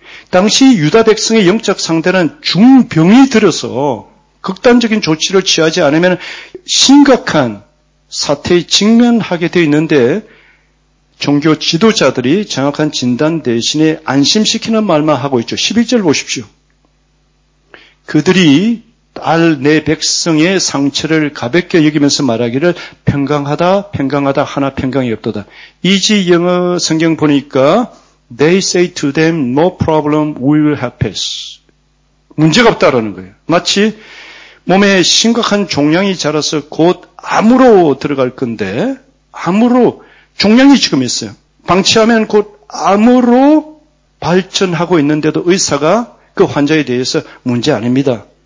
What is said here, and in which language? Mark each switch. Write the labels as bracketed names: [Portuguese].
[Korean] 당시 유다 백성의 영적 상태는 중병이 들어서 극단적인 조치를 취하지 않으면 심각한 사태에 직면하게 되어 있는데 종교 지도자들이 정확한 진단 대신에 안심시키는 말만 하고 있죠. 11절 보십시오. 그들이 딸 내 백성의 상처를 가볍게 여기면서 말하기를 평강하다, 평강하다, 하나 평강이 없도다. 이지 영어 성경 보니까 [English] They say to them, no problem, we will have peace. [Korean] 문제가 없다라는 거예요. 마치 몸에 심각한 종양이 자라서 곧 암으로 들어갈 건데 암으로 종양이 지금 있어요. 방치하면 곧 암으로 발전하고 있는데도 의사가 그 환자에 대해서 문제 아닙니다.